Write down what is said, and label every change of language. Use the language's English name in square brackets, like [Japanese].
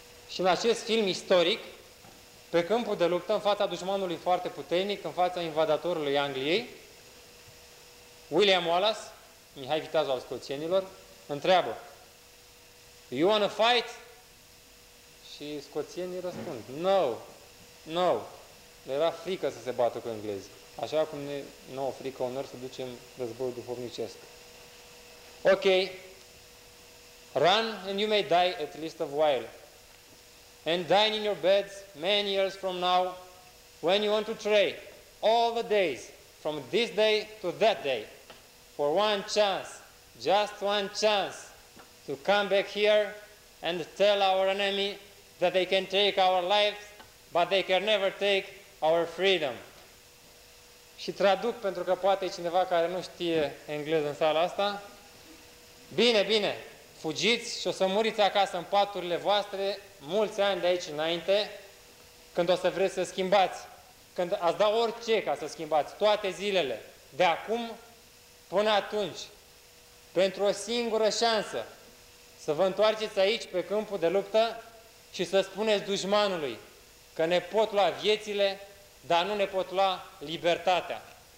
[Romanian] Și în acest film istoric, pe câmpul de luptă, în fața dușmanului foarte puternic, în fața invadatorului Angliei, William Wallace, Mihai Viteazul al scoțienilor, întreabă, [English] "You wanna fight?" [Romanian] Și scoțienii răspund, [English] "No, no." [Romanian] Le era frică să se bată cu englezii. Așa cum ne nouă frică uneori să ducem războiul duhovnicesc. Ok. [English] Run and you may die at least a while. And dine in your beds many years from now when you want to tray all the days from this day to that day for one chance, just one chance to come back here and tell our enemy that they can take our lives but they can never take our freedom. [Romanian] Și traduc pentru că poate cineva care nu știe engleză în sala asta. Bine, bine, fugiți și o să muriți acasă în paturile voastre mulți ani de aici înainte, când o să vreți să schimbați, când ați da orice ca să schimbați, toate zilele, de acum până atunci, pentru o singură șansă, să vă întoarceți aici pe câmpul de luptă și să spuneți dușmanului că ne pot lua viețile, dar nu ne pot lua libertatea.